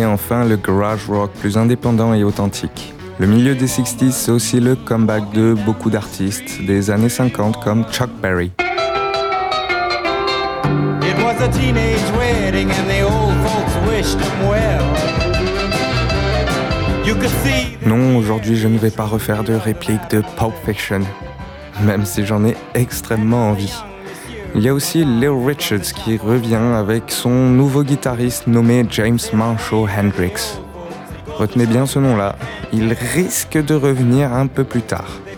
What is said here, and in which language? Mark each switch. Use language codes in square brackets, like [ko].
[fr] Enfin, le garage rock plus indépendant et authentique. Le milieu des 60s, c'est aussi le comeback de beaucoup d'artistes des années 50 comme Chuck Berry. [en] It was a teenage wedding and the old folks wished him well. You could see... [fr] Non, aujourd'hui, je ne vais pas refaire de réplique de Pulp Fiction, même si j'en ai extrêmement envie. Il y a aussi Little Richards qui revient avec son nouveau guitariste nommé James Marshall Hendrix. Retenez bien ce nom-là, il risque de revenir un peu plus tard.